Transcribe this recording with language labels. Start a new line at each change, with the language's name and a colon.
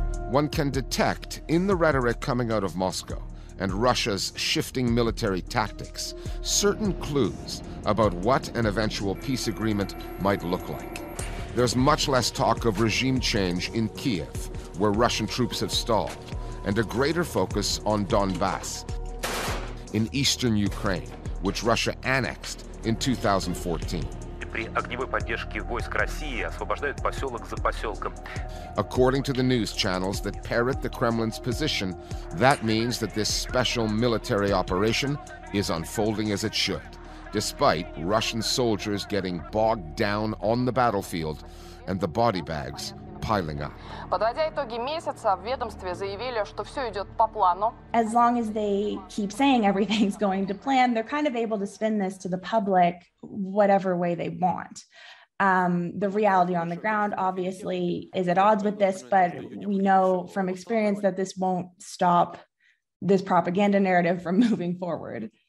English: One can detect in the rhetoric coming out of Moscow and Russia's shifting military tactics certain clues about what an eventual peace agreement might look like. There's much less talk of regime change in Kiev, where Russian troops have stalled, and a greater focus on Donbass in eastern Ukraine, which Russia annexed in 2014.
Russian: При огневой поддержке войск России освобождают поселок за поселком.
English: According to the news channels that parrot the Kremlin's position, that means that this special military operation is unfolding as it should, despite Russian soldiers getting bogged down on the battlefield and the body bags piling up.
Russian: Подводя итоги месяца, в ведомстве заявили, что все идет по плану.
English: As long as they keep saying everything's going to plan, they're kind of able to spin this to the public whatever way they want. The reality on the ground obviously is at odds with this, but we know from experience that this won't stop this propaganda narrative from moving forward.